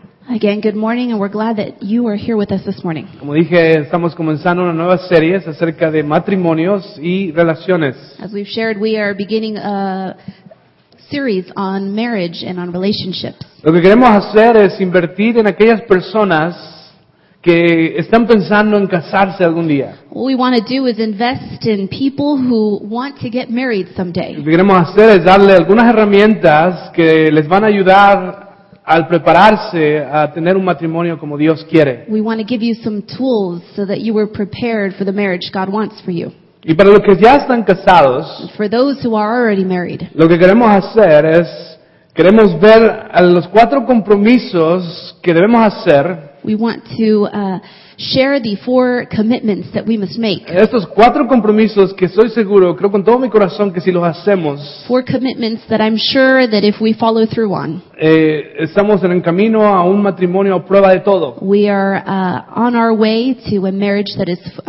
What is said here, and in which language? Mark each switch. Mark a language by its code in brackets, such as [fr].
[en] Again, good morning, and we're glad that you are here with us this morning. [es] Como dije, estamos comenzando una nueva serie acerca de matrimonios y relaciones. [en] As we've shared, we are beginning a series on marriage and on relationships. [es] Lo que queremos hacer es invertir en aquellas personas que están pensando en casarse algún día. [en] What we want to do is invest in people who want to get married someday. [es] Lo que queremos hacer es darle algunas herramientas que les van a ayudar al prepararse a tener un matrimonio como Dios quiere. [en] We want to give you some tools so that you are prepared for the marriage God wants for you. [es] Y para los que ya están casados, [en] for those who are already married, [es] lo que queremos hacer es, queremos ver a los cuatro compromisos que debemos hacer. [en] We want to share the four commitments that we must make. [es] Estos cuatro compromisos que soy seguro, creo con todo mi corazón que si los hacemos, [en] four commitments that I'm sure that if we follow through on, [es] estamos en el camino a un matrimonio a prueba de todo. [en] We are on our way to a marriage that is